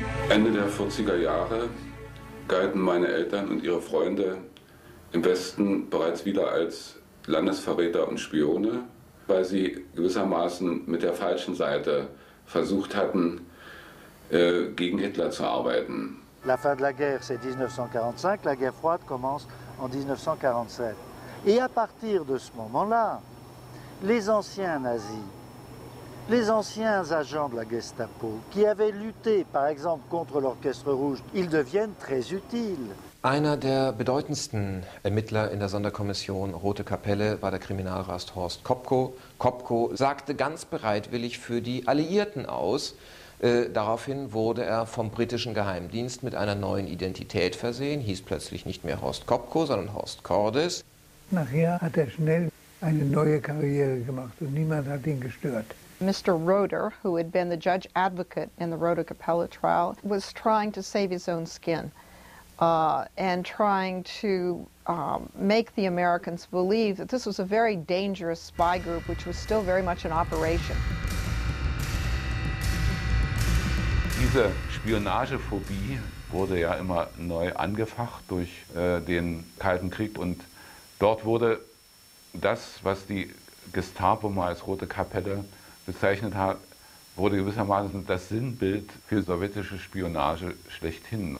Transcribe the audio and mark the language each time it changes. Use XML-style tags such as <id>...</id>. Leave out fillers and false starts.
<de>Ende der 40er Jahre galten meine Eltern und ihre Freunde im Westen bereits wieder als Landesverräter und Spione, weil sie gewissermaßen mit der falschen Seite versucht hatten, gegen Hitler zu arbeiten.</de> <fr>La fin de la guerre, c'est 1945. La guerre froide commence en 1947. Et à partir de ce moment-là, les anciens nazis, les anciens agents de la Gestapo, qui avaient lutté, par exemple, contre l'Orchestre Rouge, ils deviennent très utiles.</fr> <de>Einer der bedeutendsten Ermittler in der Sonderkommission Rote Kapelle war der Kriminalrat Horst Kopko. Kopko sagte ganz bereitwillig für die Alliierten aus. Daraufhin wurde er vom britischen Geheimdienst mit einer neuen Identität versehen, hieß plötzlich nicht mehr Horst Kopko, sondern Horst Kordes. Nachher hat er schnell eine neue Karriere gemacht und niemand hat ihn gestört.</de> <en>Mr. Roeder, who had been the judge advocate in the Roeder Capella trial, was trying to save his own skin and trying to make the Americans believe that this was a very dangerous spy group, which was still very much in operation.</en> <de>Diese Spionagephobie wurde ja immer neu angefacht durch den Kalten Krieg. Und dort wurde das, was die Gestapo mal als Rote Kapelle bezeichnet hat, wurde gewissermaßen das Sinnbild für sowjetische Spionage schlechthin.</de>